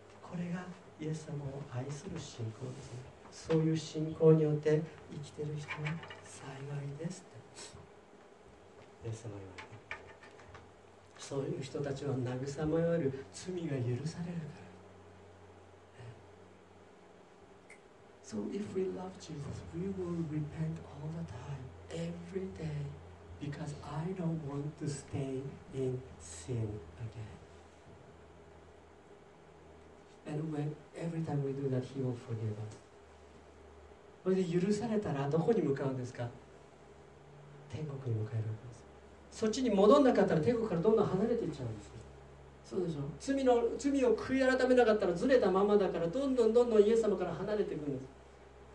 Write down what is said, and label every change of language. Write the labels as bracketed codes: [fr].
[ja] これがイエス様を愛する信仰ですね。そういう信仰によって生きている人は幸いですって。イエス様言われて、そういう人たちは慰まれる、罪が許されるから。 [en] So if we love Jesus, we will repent all the time, every day, because I don't want to stay in sin again. And when every time we do that, He will forgive us. [ja] それで許されたらどこに向かうんですか？天国に向かえるんです。そっちに戻んなかったら天国からどんどん離れていっちゃうんですよ。そうでしょ。罪を悔い改めなかったらずれたままだから、どんどんどんどんイエス様から離れていくんです。